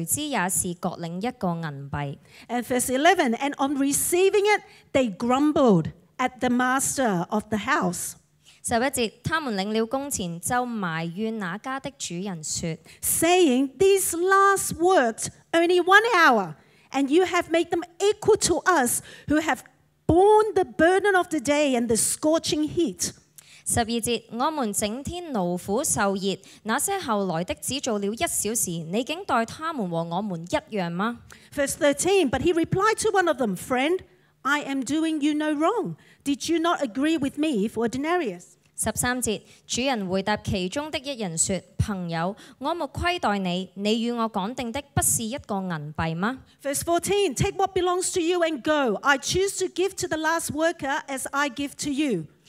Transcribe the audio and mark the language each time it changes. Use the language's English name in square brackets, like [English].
[Chinese] 第十節,那些最先顧的來了,以為可以多領,誰知也是各領一個銀幣。 [English] And verse 11, and on receiving it, they grumbled at the master of the house. [Chinese] 11節,他們領了工錢,就埋怨那家的主人說, [English] saying, these last worked only 1 hour, and you have made them equal to us who have borne the burden of the day and the scorching heat. [Chinese] 12節,我們整天勞苦受熱, 那些後來的只做了一小時,你竟待他們和我們一樣嗎? [English] Verse 13, but he replied to one of them, friend, I am doing you no wrong. Did you not agree with me for a denarius? [Chinese] 13節,主人回答其中的一人說, 朋友,我沒虧待你,你與我講定的不是一個銀幣嗎? [English] Verse 14, take what belongs to you and go. I choose to give to the last worker as I give to you.